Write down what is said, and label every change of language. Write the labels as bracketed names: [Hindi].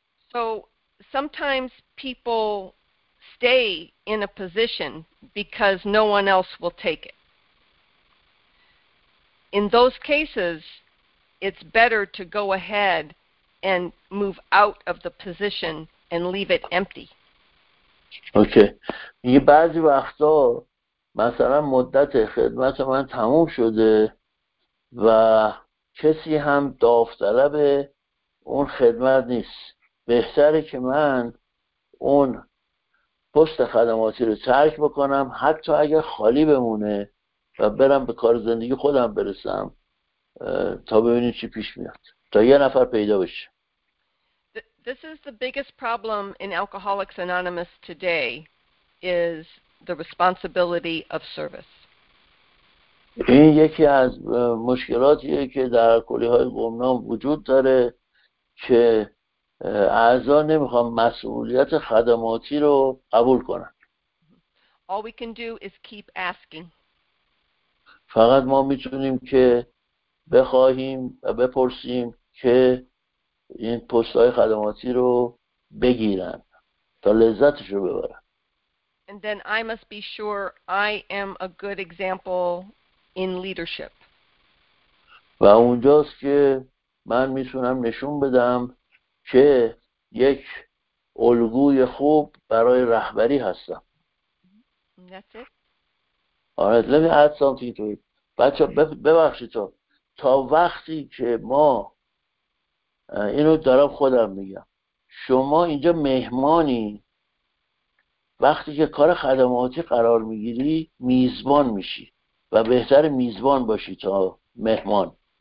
[English] So sometimes people stay in a position because no one else will take it. In those cases, it's better to go ahead and move out of the position and leave it empty. Okay. [Persian] یه بعضی وقتا مثلا مدت خدمت من تموم شده و کسی هم داوطلب اون خدمت نیست. بهتره که من اون پست خدماتی رو ترک بکنم حتی اگر خالی بمونه و برم به کار زندگی خودم برسم تا ببینید چی پیش میاد، تا یه نفر پیدا بشه. [English] This is the biggest problem in Alcoholics Anonymous today is the responsibility of service. [Persian] این یکی از مشکلاتیه که در الکلی‌های گمنام وجود داره که اعضا نمیخوان مسئولیت خدماتی رو قبول کنن. [English] All we can do is keep asking. [Persian] فقط ما میتونیم که بخواهیم و بپرسیم که این پست‌های خدماتی رو بگیرن تا لذتش رو ببرن. [English] And then I must be sure I am a good example in leadership. [Persian] و اونجاست که من میتونم نشون بدم که یک الگوی خوب برای رهبری هستم. [English] That's it. All right, let me add something to it. [Persian] بچه ببخشید تو تا وقتی که ما اینو دارم خودم میگم، شما اینجا مهمانی، وقتی که کار خدماتی قرار میگیری میزبان میشی و بهتر میزبان باشی تا مهمان.